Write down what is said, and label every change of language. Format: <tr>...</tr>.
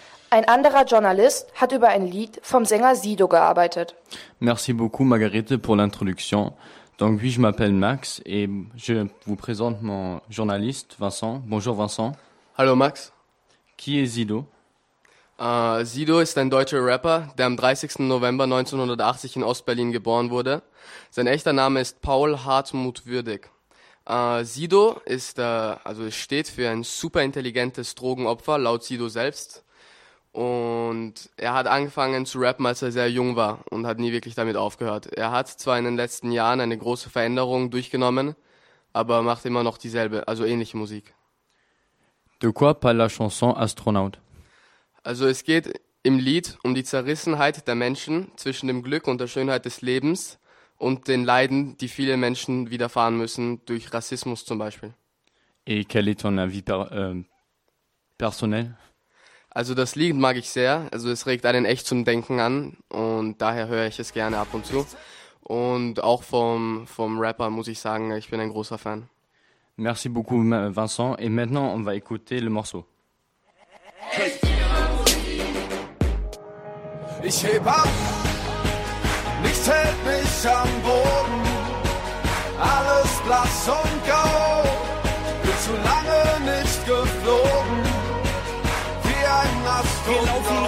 <de>Ein anderer Journalist hat über ein Lied vom Sänger Sido gearbeitet.</de> <fr>Merci beaucoup, Margarete, pour l'introduction. Donc oui, je m'appelle Max et je vous présente mon journaliste, Vincent. Bonjour, Vincent.</fr> <de>Hallo, Max.</de> <fr>Qui est Sido?</fr> <de>Sido ist ein deutscher Rapper, der am 30. November 1980 in Ost-Berlin geboren wurde. Sein echter Name ist Paul Hartmut Würdig. Sido ist, also steht für ein superintelligentes Drogenopfer, laut Sido selbst. Und er hat angefangen zu rappen, als er sehr jung war und hat nie wirklich damit aufgehört. Er hat zwar in den letzten Jahren eine große Veränderung durchgenommen, aber macht immer noch dieselbe, also ähnliche Musik.</de> <fr>De quoi parle la chanson Astronaut?</fr> <de>Also es geht im Lied um die Zerrissenheit der Menschen zwischen dem Glück und der Schönheit des Lebens und den Leiden, die viele Menschen widerfahren müssen, durch Rassismus zum Beispiel.</de> <fr>Et quel est ton avis personnel?</fr> <de>Also das Lied mag ich sehr, also es regt einen echt zum Denken an und daher höre ich es gerne ab und zu. Und auch vom Rapper muss ich sagen, ich bin ein großer Fan.</de> <fr>Merci beaucoup Vincent et maintenant on va écouter le morceau.</fr> <de>Ich heb ab, nichts hält mich am Boden, alles blass und grau, bin zu lange nicht geflogen, wie ein Astronaut.</de>